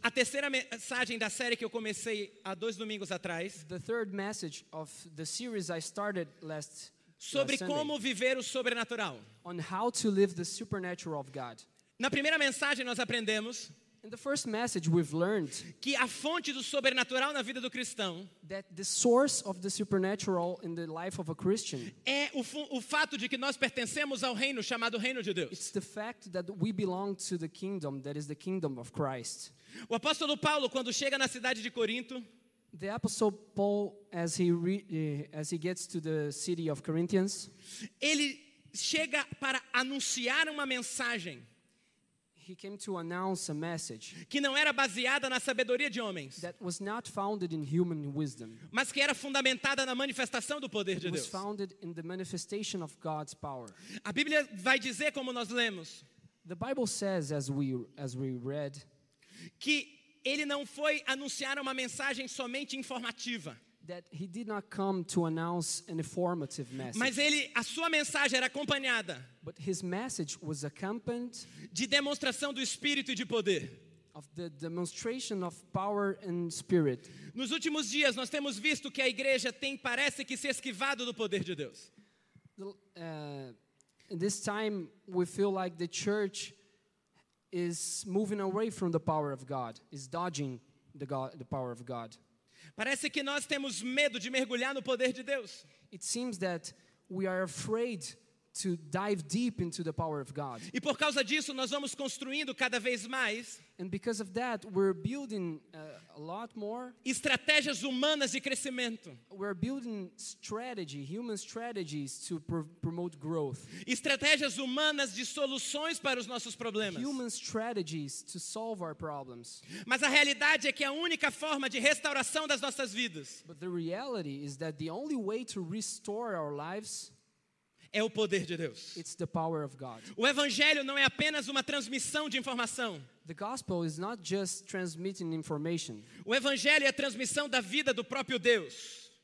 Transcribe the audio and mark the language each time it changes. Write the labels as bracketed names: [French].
[Portuguese] A terceira mensagem da série que eu comecei há dois domingos atrás. [English] The third message of the series I started last. [Portuguese] Sobre [English] last [Portuguese] como viver o sobrenatural. [English] On how to live the supernatural of God. [Portuguese] Na primeira mensagem nós aprendemos. [English] In the first message we've learned. [Portuguese] Que a fonte do sobrenatural na vida do cristão. [English] That the source of the supernatural in the life of a Christian. [Portuguese] É o fato de que nós pertencemos ao reino chamado reino de Deus. [English] It's the fact that we belong to the kingdom that is the kingdom of Christ. [Portuguese] O apóstolo Paulo quando chega na cidade de Corinto. [English] The apostle Paul as he gets to the city of Corinthians. [Portuguese] Ele chega para anunciar uma mensagem. [English] He came to announce a message [Portuguese] que não era baseada na sabedoria de homens, [English] that was not founded in human wisdom, [Portuguese] mas que era fundamentada na manifestação do poder de [English] was [Portuguese] Deus. [English] Founded in the manifestation of God's power. [Portuguese] A Bíblia vai dizer como nós lemos. [English] The Bible says, as we read, [Portuguese] que ele não foi anunciar uma mensagem somente informativa. [English] That he did not come to announce an informative message. [Portuguese] Mas ele, a sua mensagem era acompanhada. [English] But his message was accompanied. [Portuguese] De demonstração do Espírito e de poder. [English] Of the demonstration of power and spirit. [Portuguese] Nos últimos dias nós temos visto que a igreja tem, parece que se esquivado do poder de Deus. [English] In this time we feel like the church is moving away from the power of God. Is dodging the power of God. [Portuguese] Parece que nós temos medo de mergulhar no poder de Deus. [English] It seems that we are afraid to dive deep into the power of God. [Portuguese] E por causa disso nós vamos construindo cada vez mais. [English] And because of that we're building a lot more. [Portuguese] Estratégias humanas de crescimento. [English] We're building strategy, human strategies to promote growth. [Portuguese] Estratégias humanas de soluções para os nossos problemas. [English] Human strategies to solve our problems. [Portuguese] Mas a realidade é que a única forma de restauração das nossas vidas. [English] But the reality is that the only way to restore our lives. [Portuguese] É o poder de Deus. [English] It's the power of God. [Portuguese] O evangelho não é apenas uma transmissão de informação. [English] The gospel is not just transmitting information. [Portuguese] O evangelho é a transmissão da vida do próprio Deus.